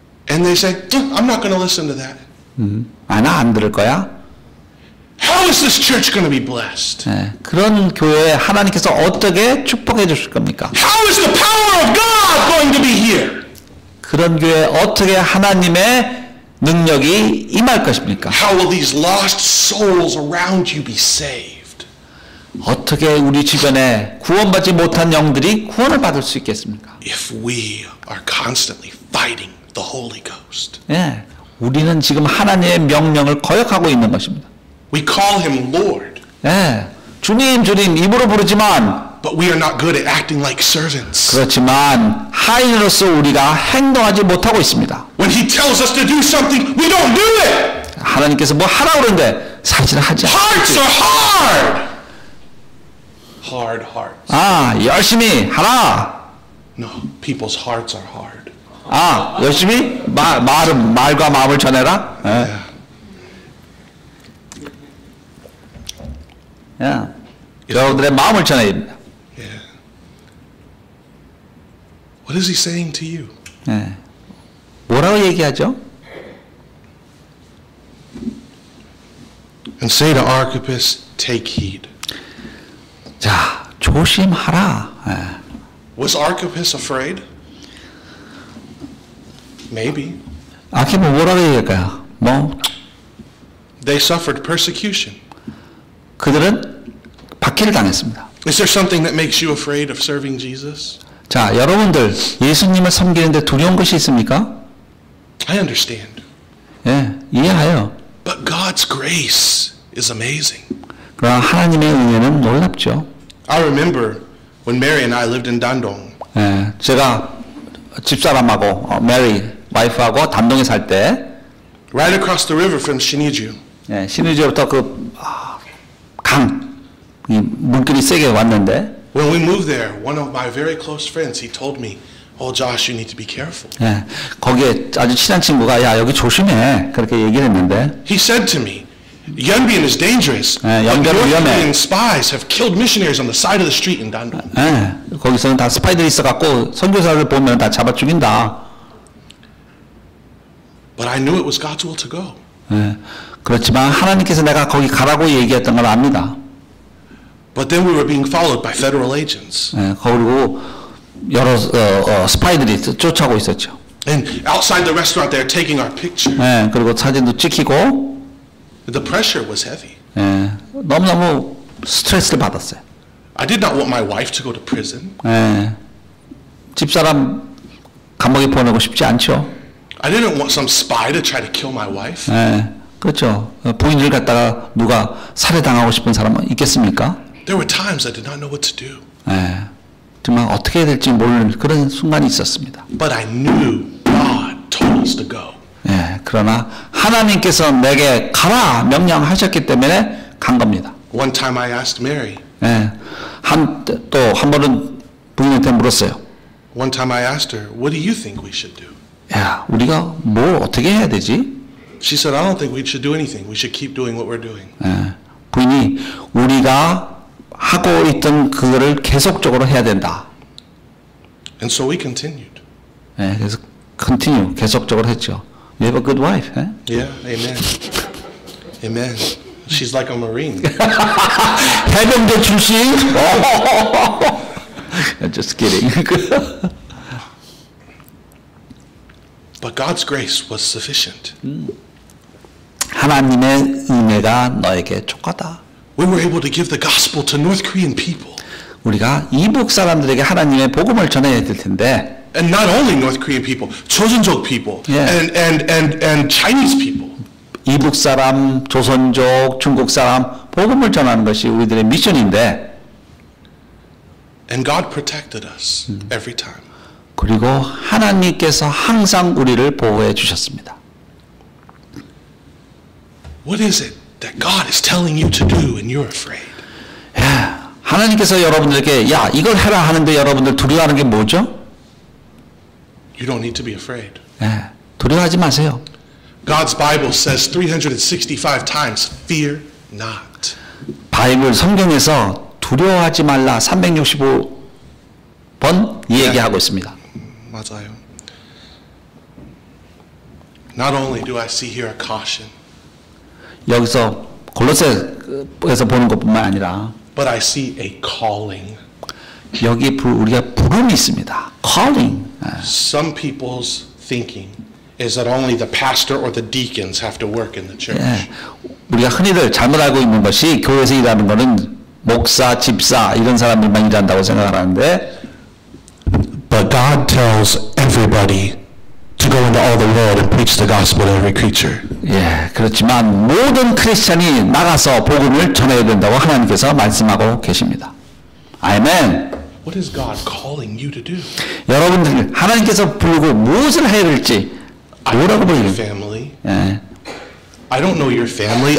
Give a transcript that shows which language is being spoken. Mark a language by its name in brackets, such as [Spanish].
[English] And they say, I'm not going to listen to that. [Korean] 아, 나 안 들을 거야. [English] How is this church going to be blessed? [Korean] 네, 그런 교회에 하나님께서 어떻게 축복해 주실 겁니까? [English] How is the power of God going to be here? [Korean] 그런 교회에 어떻게 하나님의 능력이 임할 것입니까? [English] How will these lost souls around you be saved? [Korean] 어떻게 우리 주변에 구원받지 못한 영들이 구원을 받을 수 있겠습니까? [English] If we are constantly fighting the Holy Ghost. [Korean] 예. 우리는 지금 하나님의 명령을 거역하고 있는 것입니다. [English] We call him Lord. [Korean] 예. 주님, 주님 입으로 부르지만 [English] But we are not good at acting like servants. [Korean] 그렇지만 하인으로서 우리가 행동하지 못하고 있습니다. [English] When he tells us to do something, we don't do it. [Korean] 하나님께서 뭐 하라고 그러는데 사실은 하지 않죠. [English] Hearts are hard. Hard hearts. [Korean] 아, 열심히 하라. [English] No, people's hearts are hard. [Korean] 아, 열심히 말과 마음을 전해라. 예. [English] Yeah. [Korean] 여러분들의 마음을 전해. [English] What is he saying to you? [Korean] 네. 뭐라고 얘기하죠? [English] And say to Archippus, take heed. [Korean] 자, 조심하라. 네. [English] Was Archippus afraid? Maybe. [Korean] 아키모 뭐라고 얘기할까요? 뭐? [English] They suffered persecution. [Korean] 그들은 박해를 당했습니다. [English] Is there something that makes you afraid of serving Jesus? [Korean] 자, 여러분들 예수님을 섬기는데 두려운 것이 있습니까? [English] I understand. [Korean] 예, 이해해요. [English] But God's grace is amazing. [Korean] 그러나 하나님의 은혜는 놀랍죠. [English] I remember when Mary and I lived in Dandong. [Korean] 예, 제가 집사람하고 Mary, 와이프하고 단동에 살 때 [English] Right across the river from Sinuiju. [Korean] 예, 시누이주부터 그 강 이 물길이 세게 왔는데 [English] When we moved there, one of my very close friends, he told me, "Oh, Josh, you need to be careful." [Korean] 예, 거기에 아주 친한 친구가 야 여기 조심해 그렇게 얘기를 했는데. [English] He said to me, "Yunbian is dangerous." [Korean] 예, 연변 위험해. [English] Yunbian spies have killed missionaries on the side of the street in Dandong. [Korean] 예, 거기서는 다 스파이들이 있어갖고 선교사를 보면 다 잡아 죽인다. [English] But I knew it was God's will to go. [Korean] 예, 그렇지만 하나님께서 내가 거기 가라고 얘기했던 걸 압니다. [English] But then we were being followed by federal agents. [Korean] 예, 그리고 여러 스파이들이 쫓아오고 있었죠. [English] And outside the restaurant, they're taking our picture. [Korean] 예, 그리고 사진도 찍히고. [English] The pressure was heavy. [Korean] 예, 너무 스트레스를 받았어요. [English] I did not want my wife to go to prison. [Korean] 예, 집사람 감옥에 보내고 싶지 않죠. I didn't want some spy to try to kill my wife. 예, 그렇죠. 부인을 갖다가 누가 살해당하고 싶은 사람은 있겠습니까? [English] There were times I did not know what to do. [Korean] 예, 정말 어떻게 해야 될지 모르는 그런 순간이 있었습니다. [English] But I knew God told us to go. [Korean] 예, 그러나 하나님께서 내게 가라 명령하셨기 때문에 간 겁니다. [English] One time I asked Mary. [Korean] 예, 한 번은 부인한테 물었어요. [English] One time I asked her, "What do you think we should do?" [Korean] 야, 우리가 뭐 어떻게 해야 되지? [English] She said, "I don't think we should do anything. We should keep doing what we're doing." [Korean] 부인이 우리가 하고 있던 그거를 계속적으로 해야 된다. [English] And so we continued. [Korean] 예, 그래서 continue 계속적으로 했죠. [English] You have a good wife, eh? Yeah, amen. Amen. She's like a marine. [Korean] 해병대 출신. [English] Just kidding. But God's grace was sufficient. [Korean] 하나님의 은혜가 너에게 족하다. [English] We were able to give the gospel to North Korean people. [Korean] 우리가 이북 사람들에게 하나님의 복음을 전해야 될 텐데. [English] And not only North Korean people, 조선족 people, yeah. and Chinese people. [Korean] 이북 사람, 조선족, 중국 사람 복음을 전하는 것이 우리들의 미션인데. [English] And God protected us every time. [Korean] 그리고 하나님께서 항상 우리를 보호해 주셨습니다. [English] What is it that God is telling you to do and you're afraid? [Korean] 야, 하나님께서 여러분들에게 야, 이걸 해라 하는데 여러분들 두려워하는 게 뭐죠? [English] You don't need to be afraid. [Korean] 예, 두려워하지 마세요. [English] God's Bible says 365 times, fear not. [Korean] 바이블 성경에서 두려워하지 말라 365번 이 얘기하고 있습니다. 맞아요. [English] Not only do I see here a caution. [Korean] 여기서 골로새에서 보는 것뿐만 아니라 [English] but I see a calling. [Korean] 여기 우리가 부름이 있습니다. [English] calling. Some people's thinking is that only the pastor or the deacons have to work in the church. [Korean] 우리가 흔히들 잘못 알고 있는 것이 교회에서 일하는 것은 목사, 집사 이런 사람들만 일한다고 생각하는데 [English] But God tells everybody to go into all the world and preach the gospel to every creature. [Korean] 예, 그렇지만 모든 크리스천이 나가서 복음을 전해야 된다고 하나님께서 말씀하고 계십니다. 아멘. [English] What is God calling you to do? [Korean] 여러분들 하나님께서 부르고 무엇을 해야 될지 뭐라고 부르는 [English] family? 예. I don't know your family.